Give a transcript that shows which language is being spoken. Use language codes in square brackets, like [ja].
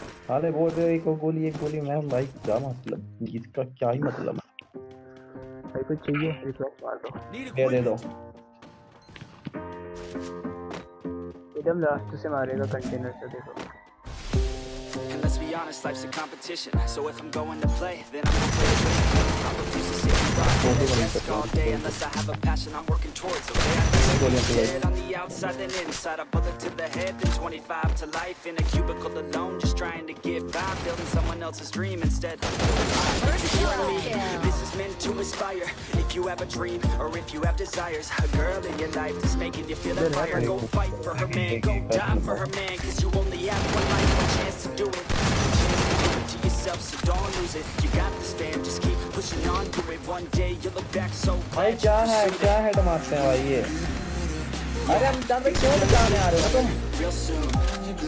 [hi] अरे बोल रहे एक गोली मैं भाई क्या मतलब इसका क्या ही मतलब भाई कुछ चाहिए रिफ्लेक्स मार दो दे दे दो एकदम लास्ट से मारेगा कंटेनर से देखो [en] Let's be honest, life's a competition. So if I'm going to play, then I'm going to play. I'm refuse to sit and rock at a desk all day unless I have a passion I'm working towards. Okay, I'm dead on the outside and inside. A bullet to the head, then 25 to life in a cubicle alone, just trying to get by, building someone else's dream instead. This is meant to inspire. If you have a dream or if you have desires, a girl in your life that's making you feel the fire. Go fight for her man, go die for her man, 'cause you only have one life, one chance to do it. [hi] भाई क्या है क्या है टमाटर है भाई ये अरे हम जब क्यों बचाने आ रहे हो तुम